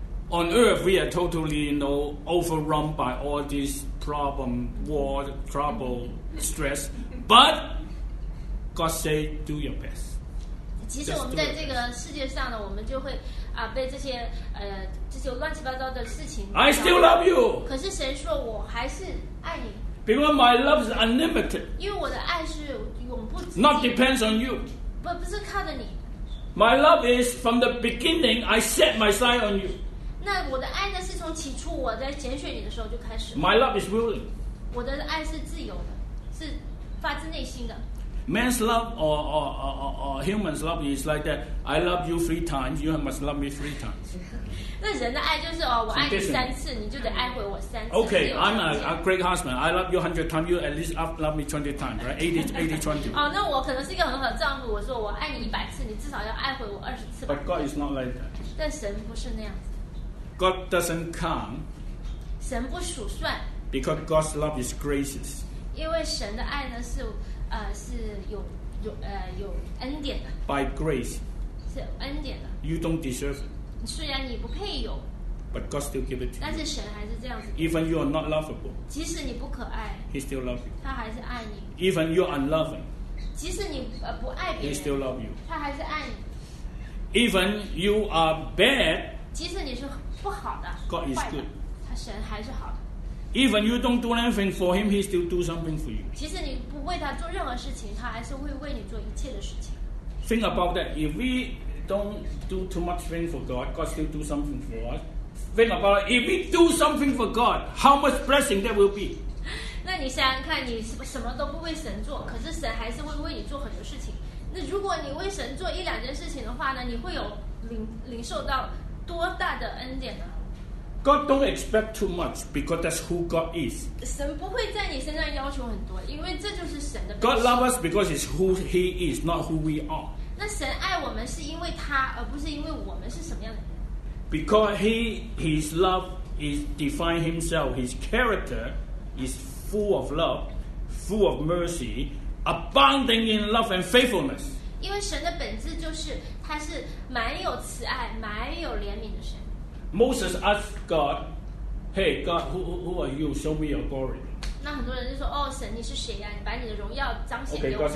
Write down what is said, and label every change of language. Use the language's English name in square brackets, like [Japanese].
[English] On earth, we are totally, you know, overrun by all this problem, war, trouble, stress. But God say, do your best. [Chinese] 其实我们在这个世界上呢，我们就会啊被这些这些乱七八糟的事情。 [English] I still love you。 [Chinese] 可是神说我还是爱你。 [English] Because my love is unlimited。 [Chinese] 因为我的爱是永不止境。 [English] Not depends on you。 [Chinese] 不是靠着你。 [English] My love is from the beginning. I set my sight on you。 [Chinese] 那我的爱呢？是从起初我在拣选你的时候就开始。 [English] My love is willing。 [Chinese] 我的爱是自由的，是发自内心的。 [English] Man's love or human's love is like that. I love you three times. You must love me three times. [Chinese] 那人的爱就是哦，我爱你三次，你就得爱回我三次。 [English] Okay, I'm a great husband. I love you 100 times. You at least love me 20 times, right? 80-20. [Chinese] 哦，那我可能是一个很好的丈夫。我说我爱你100次，你至少要爱回我20次。 [English] But God is not like that. [Chinese] 但神不是那样子。 [English] God doesn't count. [Chinese] 神不数算。 [English] Because God's love is gracious. [Chinese] 因为神的爱呢是。是有恩典的 [English] by grace [Chinese] 是恩典的 [English] you don't deserve it [Chinese] 虽然你不配有 [English] but God still give it to you [Chinese] 但是神还是这样子 [English] even you are not lovable [Chinese] 即使你不可爱 [English] he still loves you [Chinese] 他还是爱你 [English] even you are unloving [Chinese] 即使你不爱别人 [English] he still loves you [Chinese] 他还是爱你 [English] even you are bad [Chinese] 即使你是不好的 [English] God is good [Chinese] 他神还是好的 [English] Even you don't do anything for him, he still do something for you. [Chinese] 其实你不为他做任何事情，他还是会为你做一切的事情。 [English] Think about that. If we don't do too much thing for God, God still do something for us. Think about it. If we do something for God, how much blessing that will be? [Chinese] 那你想想看，你什么都不为神做，可是神还是会为你做很多事情。那如果你为神做一两件事情的话呢，你会有领受到多大的恩典呢？ [English] God don't expect too much because that's who God is. [Chinese] 神不会在你身上要求很多，因为这就是神的。 [English] God loves us because it's who He is, not who we are. [Chinese] 那神爱我们是因为他，而不是因为我们是什么样的人。 [English] Because His love is define Himself. His character is full of love, full of mercy, abounding in love and faithfulness. [Chinese] 因为神的本质就是他是满有慈爱、满有怜悯的神。 [English] Moses asked God, "Hey God, who are you? Show me your glory." [Chinese] 那很多人就说，哦，神，你是谁呀？你把你的荣耀彰显给我看。